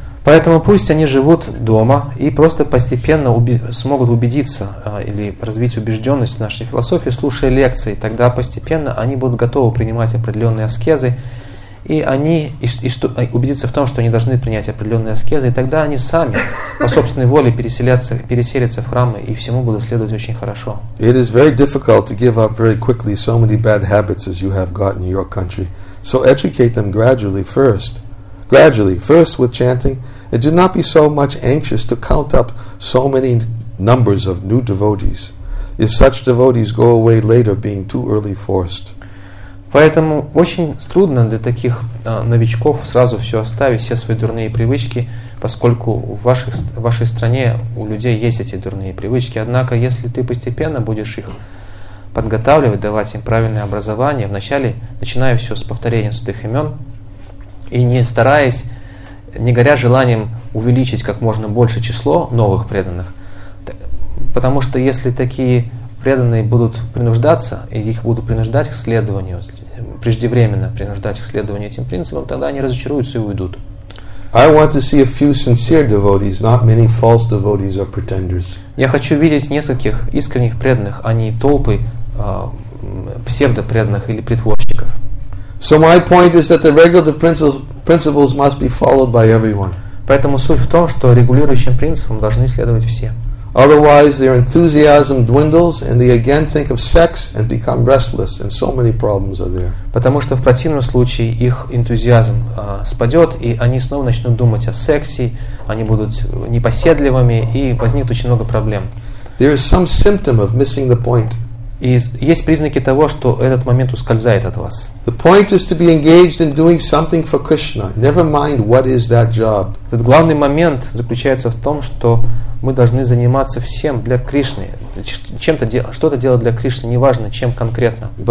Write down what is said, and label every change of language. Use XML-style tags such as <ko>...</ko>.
<ru>Поэтому пусть они живут дома и просто постепенно смогут убедиться или развить убежденность в нашей философии, слушая лекции. Тогда постепенно они будут готовы принимать определенные аскезы, и они убедиться в том, что они должны принять определенные аскезы, и тогда они сами по собственной воле переселятся в храмы и всему будут следовать очень хорошо.</ru> <en>It is very difficult to give up very quickly so many bad habits as you have gotten in your country. So educate them gradually first with chanting, and do not be so much anxious to count up so many numbers of new devotees. If such devotees go away later, being too early forced.</en> <ru>Поэтому очень трудно для таких новичков сразу все оставить, все свои дурные привычки. поскольку в вашей стране у людей есть эти дурные привычки. Однако, если ты постепенно будешь их подготавливать, давать им правильное образование, вначале начиная все с повторения святых имен, и не стараясь, не горя желанием увеличить как можно больше число новых преданных, потому что если такие преданные будут принуждаться, и их будут принуждать к следованию, преждевременно принуждать к следованию этим принципам, тогда они разочаруются и уйдут.</ru> <en>I want to see a few sincere devotees, not many false devotees or pretenders.</en> <ru>Я хочу видеть нескольких искренних преданных, а не толпы псевдопреданных или притворщиков.</ru> <en>So my point is that the regulative principles must be followed by everyone.</en> <ru>Поэтому суть в том, что регулирующим принципам должны следовать все.</ru> <en>Otherwise, their enthusiasm dwindles, and they again think of sex and become restless, and so many problems are there.</en> <ru>Потому что в противном случае их энтузиазм спадет, и они снова начнут думать о сексе, они будут непоседливыми, и возникнет очень много проблем.</ru> <en>There is some symptom of missing the point.</en> <ru>И есть признаки того, что этот момент ускользает от вас.</ru> <en>The point is to be engaged in doing something for Krishna. Never mind what is that job.</en> <ru>Этот главный момент заключается в том, что мы должны заниматься всем для Кришны, чем-то что-то делать для Кришны, неважно чем конкретно.</ru>